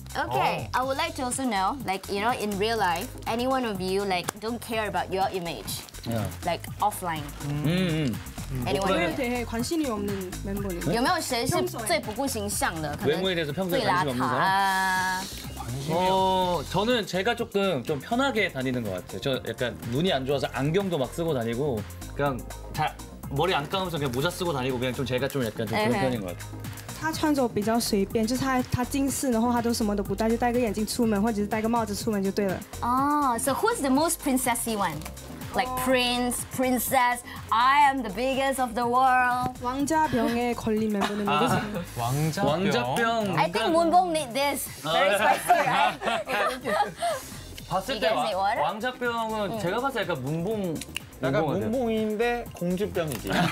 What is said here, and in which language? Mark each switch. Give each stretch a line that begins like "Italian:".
English: Okay, I would like to also know, like, you know, in real life, any one of you, like, don't care about your image. Yeah. Like, offline. Mm-hmm.
Chinese: 有没有谁是最不顾形象的？
Korean: 외모에 대해서 평소에 관심 없는 사람? 저는 제가 조금 좀 편하게 다니는 것 같아요. 저 약간 눈이 안 좋아서 안경도 막 쓰고 다니고 그냥 잘 머리 안 감으면서 그냥 모자 쓰고 다니고 그냥 좀 제가 좀 약간 좀 그런 편인 것 같아요.
Chinese: 他穿着比较随便，就是他近视，然后他都什么都不戴，就戴个眼镜出门，或者是戴个帽子出门就对了。
English: So who's the most princessy one? Like prince, princess, I am the biggest of the world.
Korean: 왕자병에 걸린 멤버는 누구세요? 왕자병.
English: I think Moonbong need this. Very spicy, right?
Korean: 봤을 때 왕자병은 제가 봤을 때 약간 문봉. 약간 문봉인데 공주병이지.